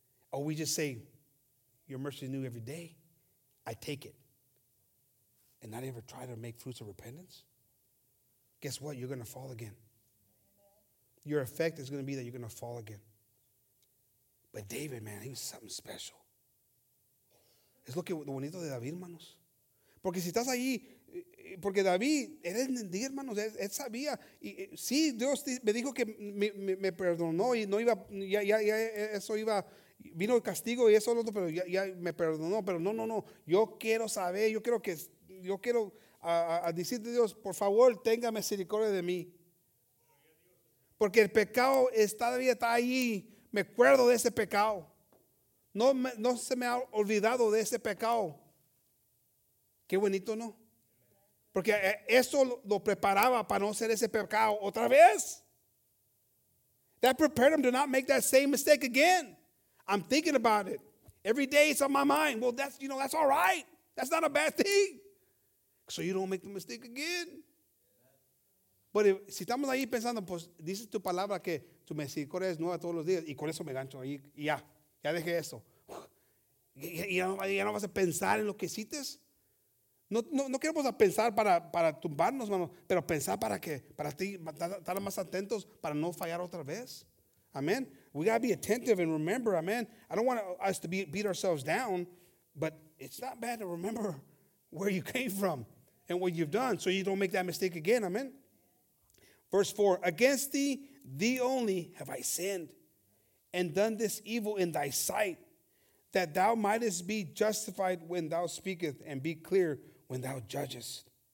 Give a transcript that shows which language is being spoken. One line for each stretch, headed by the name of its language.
English: Or we just say, your mercy is new every day. I take it. And not ever try to make fruits of repentance? Guess what? You're going to fall again. Your effect is going to be that you're going to fall again. But David, man, he was something special.
Spanish: Es lo que lo bonito de David, hermanos. Porque si estás ahí, porque David, él entendía, hermanos, él sabía. Y, sí, Dios me dijo que me perdonó y no iba, ya eso iba, vino el castigo y eso, pero ya me perdonó. Pero no, yo quiero saber, yo quiero decirte, Dios, por favor, tenga misericordia de mí. Porque el pecado está ahí, me acuerdo de ese pecado. No se me ha olvidado de ese pecado. Qué bonito, ¿no? Porque eso lo preparaba para no hacer ese pecado otra vez.
English: That prepared him to not make that same mistake again. I'm thinking about it. Every day it's on my mind. Well, that's all right. That's not a bad thing. So you don't make the mistake again. But if,
Spanish: si estamos ahí pensando, pues, dice tu palabra que tu misericordia es nueva todos los días y con eso me gancho ahí y ya. Ya dejé eso. Ya no vas a pensar en lo que hiciste. No queremos pensar para tumbarnos, mano, pero pensar para que para ti estar más atentos para no fallar otra vez.
English: Amen. We gotta be attentive and remember, amen. I don't want us to beat ourselves down, but it's not bad to remember where you came from and what you've done so you don't make that mistake again. Amen. Verse 4: Against thee only have I sinned and done this evil in thy sight, that thou mightest be justified when thou speakest, and be clear when thou judgest.